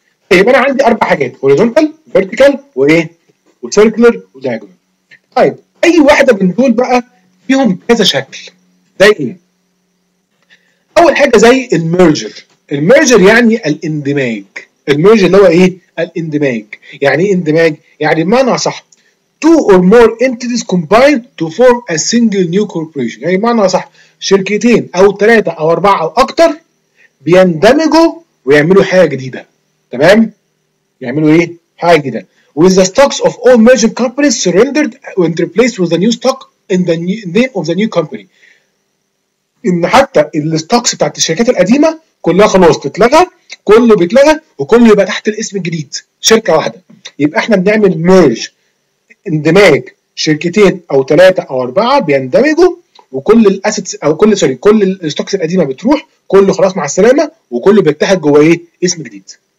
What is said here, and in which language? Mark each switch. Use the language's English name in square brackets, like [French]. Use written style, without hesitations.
[Arabic] طيب انا عندي اربع حاجات: هوريزونتال، فيرتيكال، وايه؟ وسيركلر، ودياجونال. طيب اي واحده من دول بقى فيهم كذا شكل زي ايه؟ اول حاجه زي الميرجر. الميرجر يعني الاندماج. الميرجر اللي هو ايه؟ الاندماج. يعني ايه اندماج؟ يعني بمعنى صح [English] two or more entities combine to form a single new corporation. [Arabic] يعني بمعنى صح شركتين او ثلاثه او اربعه او اكتر بيندمجوا ويعملوا حاجه جديده، تمام؟ يعملوا ايه؟ حاجه جديده. [English] with the stocks of all merged companies surrendered and replaced with the new stock in the name of the new company. [Arabic] إن حتى الستوكس بتاعت الشركات القديمة كلها خلاص تتلغى، كله بيتلغى وكله يبقى تحت الاسم الجديد شركة واحدة. يبقى احنا بنعمل ميرج، اندماج شركتين او ثلاثة او اربعة بيندمجوا، وكل الاسيتس او كل سوري كل الستوكس القديمة بتروح، كله خلاص مع السلامة وكله بيتحد جواه اسم جديد.